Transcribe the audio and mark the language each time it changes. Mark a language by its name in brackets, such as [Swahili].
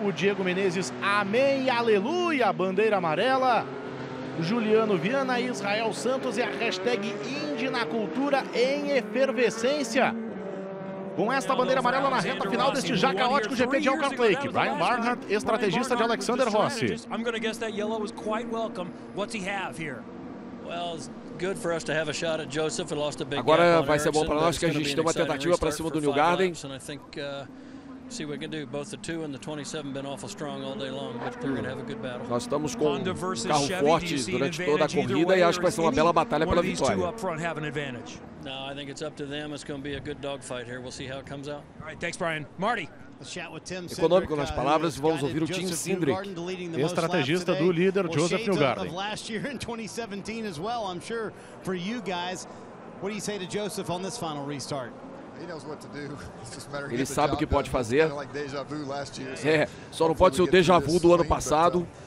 [Portuguese] O Diego Menezes, amém, aleluia, bandeira amarela. Juliano Viana, Israel Santos e a hashtag Indy na Cultura em efervescência. Com esta bandeira amarela na reta final deste já caótico GP de Elkhart Lake. Brian Barnhart, estrategista de Alexander Rossi. [English] I'm going to guess that yellow was quite welcome. What's he have here? Well, good for us to have a shot at Joseph. Lost a big. [Portuguese] Agora vai ser bom para nós que a gente tem uma tentativa para cima do Newgarden. [English] See what we can do. Both the 2 and the 27 been awful strong all day long, but they're going to have a good battle. [Portuguese] Nós estamos com um carro forte durante toda a corrida e acho que vai ser uma bela batalha pela vitória. [English] No, I think it's up to them. It's going to be a good dogfight here. We'll see how it comes out. All right, thanks Brian. Marty. [Portuguese] Econômico nas palavras, vamos ouvir o Tim Cindric, estrategista do líder Joseph Newgarden. [English] Last year in 2017 as well, I'm sure for you guys. What do you say to Joseph on this final restart? [Portuguese] Ele sabe o que pode fazer. É, só não pode ser o déjà vu do ano passado.